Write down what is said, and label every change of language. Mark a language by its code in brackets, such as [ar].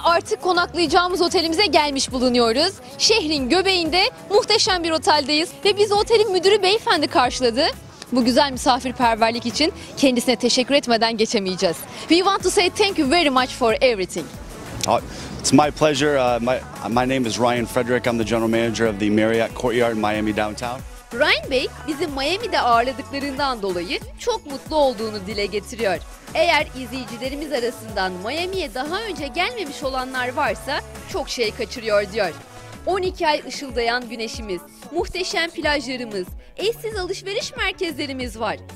[tr] artık konaklayacağımız otelimize gelmiş bulunuyoruz. Şehrin göbeğinde muhteşem bir oteldeyiz ve bizi otelin müdürü beyefendi karşıladı. Bu güzel misafirperverlik için kendisine teşekkür etmeden geçemeyeceğiz. [en] We want to say thank you very much for everything. It's my pleasure. My name is Ryan Frederick. I'm the general manager of the Marriott Courtyard in Miami downtown. [tr] Ryan Bey bizi Miami'de ağırladıklarından dolayı çok mutlu olduğunu dile getiriyor. Eğer izleyicilerimiz arasından Miami'ye daha önce gelmemiş olanlar varsa çok şey kaçırıyor diyor. 12 ay ışıldayan güneşimiz, muhteşem plajlarımız, eşsiz alışveriş merkezlerimiz var.